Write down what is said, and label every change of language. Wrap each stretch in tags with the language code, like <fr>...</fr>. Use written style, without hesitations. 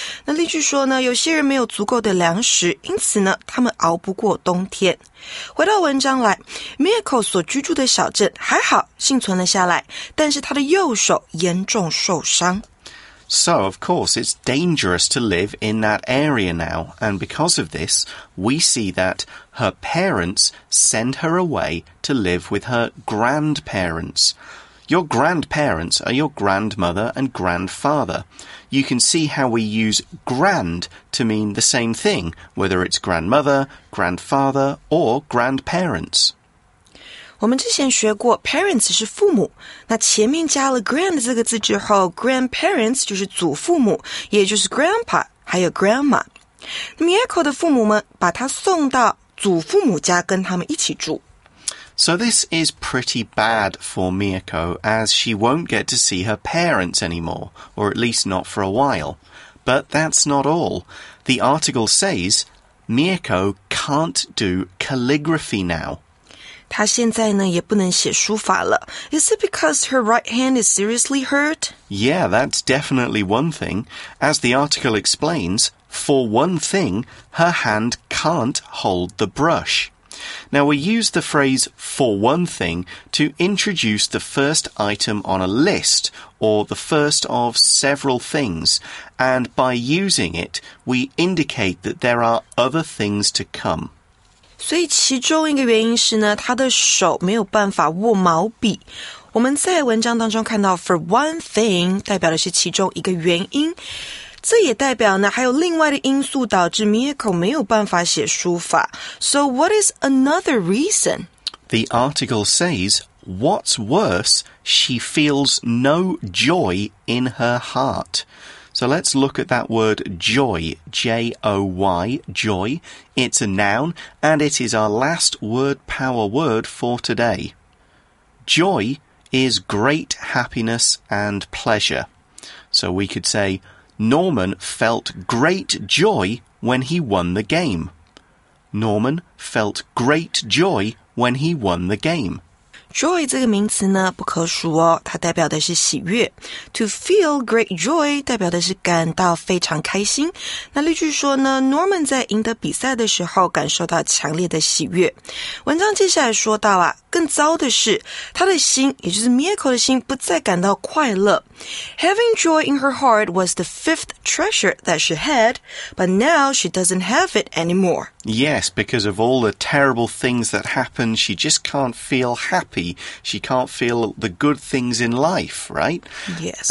<zh>那例句说呢，有些人没有足够的粮食，因此呢，他们熬不过冬天。回到文章来 ，Miyako 所居住的小镇还好幸存了下来，但是他的右手严重受伤。</zh> <en>So, of course, it's dangerous to live in that area now. And because of this, we see that her parents send her away to live with her grandparents. Your grandparents are your grandmother and grandfather. You can see how we use grand to mean the same thing, whether it's grandmother, grandfather, or grandparents.</en> <zh>我们之前学过 parents 是父母，那前面加了 grand 这个字之后 grandparents 就是祖父母，也就是 grandpa 还有 grandma。 Miyako 的父母们把她送到祖父母家跟他们一起住。</zh> <en>So this is pretty bad for Miyako as she won't get to see her parents anymore, or at least not for a while. But that's not all. The article says Miyako can't do calligraphy now.</en> <zh>她现在呢也不能写书法了。</zh> <en>Is it because her right hand is seriously hurt? Yeah, that's definitely one thing. As the article explains, for one thing, her hand can't hold the brush. Now we use the phrase for one thing to introduce the first item on a list, or the first of several things. And by using it, we indicate that there are other things to come.</en> <zh>所以其中一个原因是呢，他的手没有办法握毛笔。我们在文章当中看到 for one thing 代表的是其中一个原因，这也代表呢还有另外的因素导致 Miyako 没有办法写书法。</zh> <en>So what is another reason? The article says, what's worse, she feels no joy in her heart. So let's look at that word joy, J-O-Y, joy. It's a noun, and it is our last word power word for today. Joy is great happiness and pleasure. So we could say, Norman felt great joy when he won the game. Norman felt great joy when he won the game.</en> <zh>Joy 这个名词呢不可数哦，它代表的是喜悦。 To feel great joy 代表的是感到非常开心。那例句说呢 ，Norman 在赢得比赛的时候感受到强烈的喜悦。文章接下来说到啊，更糟的是，他的心，也就是 Miyako 的心，不再感到快乐。</zh> <en>Having joy in her heart was the fifth treasure that she had, but now she doesn't have it anymore. Yes, because of all the terrible things that happened, she just can't feel happy. She can't feel the good things in life, right? Yes.</en>